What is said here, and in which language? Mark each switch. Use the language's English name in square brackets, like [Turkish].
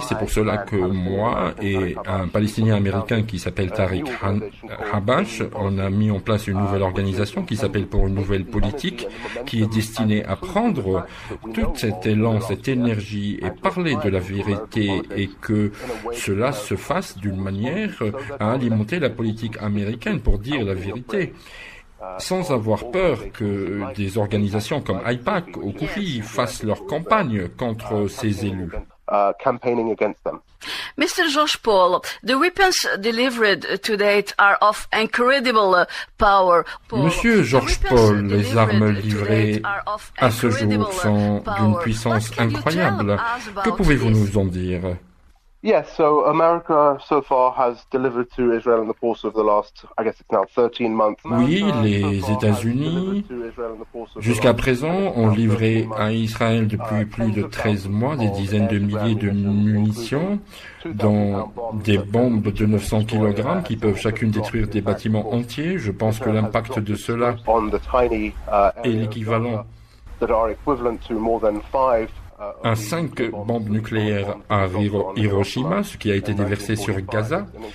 [French] C'est pour cela que moi et un Palestinien américain qui s'appelle Tariq Habash, on a mis en place une nouvelle organisation qui s'appelle Pour une nouvelle politique, qui est destinée à prendre tout cet élan, cette énergie et parler de la vérité et que cela se fasse d'une manière à alimenter la politique américaine pour dire la vérité, sans avoir peur que des organisations comme AIPAC ou COFI fassent leur campagne contre ces élus. [English] Campaigning against them. Mr. George Paul, the weapons delivered to date are of incredible power. [French] Monsieur George Paul, les armes livrées à ce jour sont d'une puissance incroyable. Que pouvez-vous nous en dire? [English] Yes, so America so far has delivered to Israel in the course of the last, I guess it's now 13 months. [French] Oui, les États-Unis, jusqu'à présent, ont livré à Israël depuis plus de 13 mois des dizaines de milliers de munitions, dont des bombes de 900 kg qui peuvent chacune détruire des bâtiments entiers. Je pense que l'impact de cela est l'équivalent à 5 bombes nucléaires à Hiroshima, ce qui a été déversé sur Gaza.